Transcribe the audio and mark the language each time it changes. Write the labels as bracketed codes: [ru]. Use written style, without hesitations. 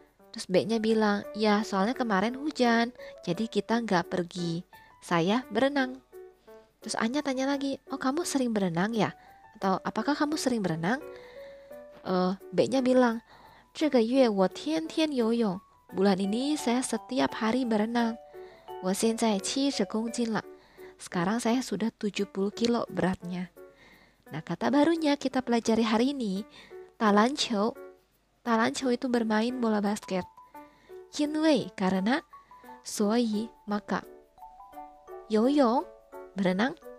[id] Terus B-nya bilang, ya soalnya kemarin hujan, jadi kita nggak pergi. Saya berenang. Terus A-nya tanya lagi, oh kamu sering berenang ya? Atau apakah kamu sering berenang? B-nya bilang, [zh] 这个月我天天游泳。 [id] Bulan ini saya setiap hari berenang. [zh] 我现在70公斤了。 [id] Sekarang saya sudah 70 kilo beratnya. Nah, kata barunya kita pelajari hari ini, 打篮球 itu bermain bola basket. Kinwei, karena, soyi, maka. Yoyong, berenang.